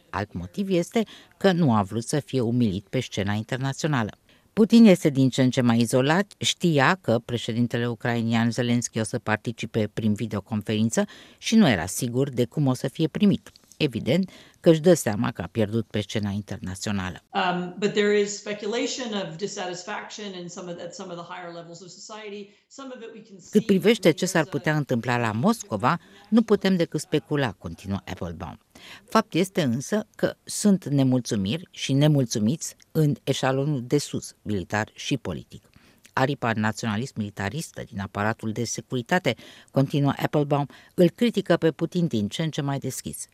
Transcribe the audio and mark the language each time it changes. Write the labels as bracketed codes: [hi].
[ro] Alt motiv este că nu a vrut să fie umilit pe scena internațională. Putin este din ce în ce mai izolat, știa că președintele ucrainian Zelensky o să participe prin videoconferință și nu era sigur de cum o să fie primit. Evident că își dă seama că a pierdut pe scena internațională. [en] But there is speculation of dissatisfaction in some of at some of the higher levels of society. Some of it we can see. [ro] Cât privește ce s-ar putea întâmpla la Moscova, nu putem decât specula, continuă Applebaum. Fapt este însă că sunt nemulțumiri și nemulțumiți în eșalonul de sus, militar și politic. Aripa naționalist-militaristă din aparatul de securitate, continuă Applebaum, îl critică pe Putin din ce în ce mai deschis.